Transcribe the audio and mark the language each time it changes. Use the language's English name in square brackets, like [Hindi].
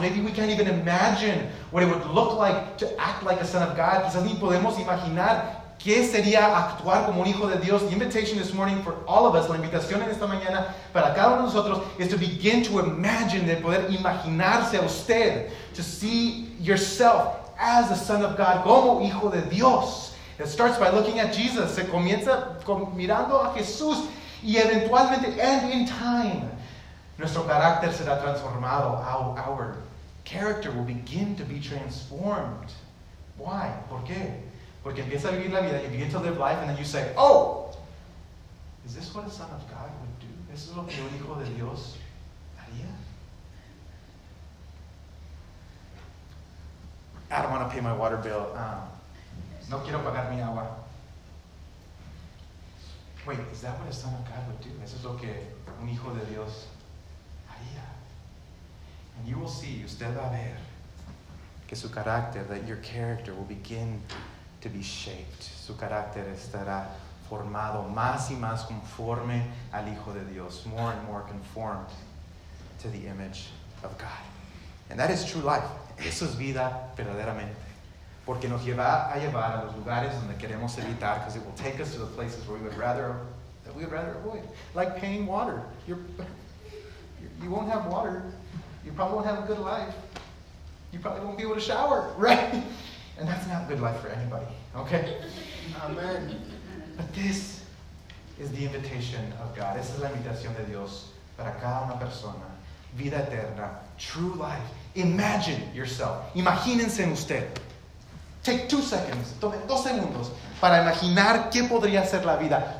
[English] Maybe we can't even imagine what it would look like to act like a son of God. [Spanish] Quizás ni podemos imaginar qué sería actuar como un hijo de Dios. [English] The invitation this morning for all of us, [Spanish] la invitación en esta mañana para cada uno de nosotros, [English] is to begin to imagine, [Spanish] de poder imaginarse a usted, [English] to see yourself as a son of God, [Spanish] como hijo de Dios. [English] It starts by looking at Jesus. [Spanish] Se comienza mirando a Jesús y eventualmente, [English] and in time, [Spanish] nuestro carácter será transformado. [English] Our character will begin to be transformed. Why? [Spanish] ¿Por qué? Porque empieza a vivir la vida, [English] you begin to live life, and then you say, oh, is this what a son of God would do? [Spanish] ¿Eso es lo que un hijo de Dios haría? [English] I don't want to pay my water bill. [Spanish] No quiero pagar mi agua. [English] Wait, is that what a son of God would do? [Spanish] ¿Eso es lo que un hijo de Dios haría? [English] And you will see, [Spanish] usted va a ver, que su carácter, [English] that your character will begin to be shaped. [Spanish] Su carácter estará formado más y más conforme al Hijo de Dios, [English] more and more conformed to the image of God. And that is true life. [Spanish] Eso es vida verdaderamente. Porque nos lleva a llevar a los lugares donde queremos evitar, [English] because it will take us to the places where we would rather avoid. Like paying water. You won't have water. You probably won't have a good life. You probably won't be able to shower, right? And that's not good life for anybody, okay? Amen. But this is the invitation of God. [Spanish] Esa es la invitación de Dios para cada una persona. Vida eterna, [English] true life. Imagine yourself. [Spanish] Imagínense en usted. [English] Take 2 seconds, [Spanish] tome 2 segundos para imaginar qué podría ser la vida.